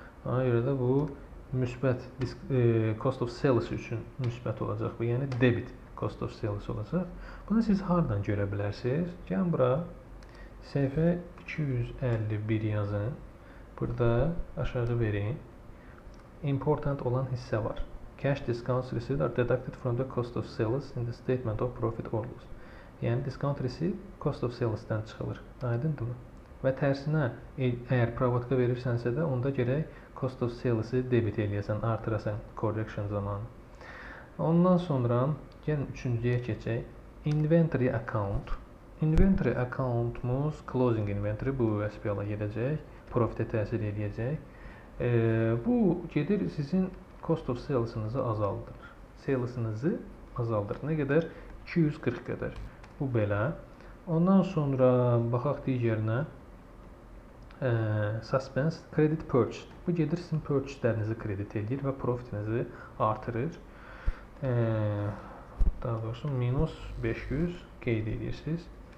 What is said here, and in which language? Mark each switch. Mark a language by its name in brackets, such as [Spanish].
[Azerbaijani] Ona görə də bu müsbət cost of sales üçün müsbət olacaq bu, yəni debit cost of sales olacaq. Bunu siz haradan görə bilərsiniz? Gəlin bura, səhifə 251 yazın, burada aşağı verin, important olan hissə var. [English] Cash discounts received are deducted from the cost of sales in the statement of profit or loss. [Azerbaijani] Yəni, discount received cost of sales-dən çıxılır. Aydındır mı? Və tərsinə, əgər provodka verirsənsə də, onda gərək cost of sales-i debit eləyəsən, artırasən correction zamanı. Ondan sonra, gəlin üçüncüyə keçək, inventory account. Inventory accountumuz, closing inventory, bu SPL-a gedəcək, profitə təsir edəcək. Bu gedir sizin cost of sales-ınızı azaldır. Sales-ınızı azaldır. Nə qədər? 240 qədər. Bu belə. Ondan sonra baxaq digərinə. Suspense, credit purchase. Bu gedir sizin purchase-lərinizi kredit edir və profitinizi artırır. Daha doğrusu, minus 500 qeyd edirsiniz.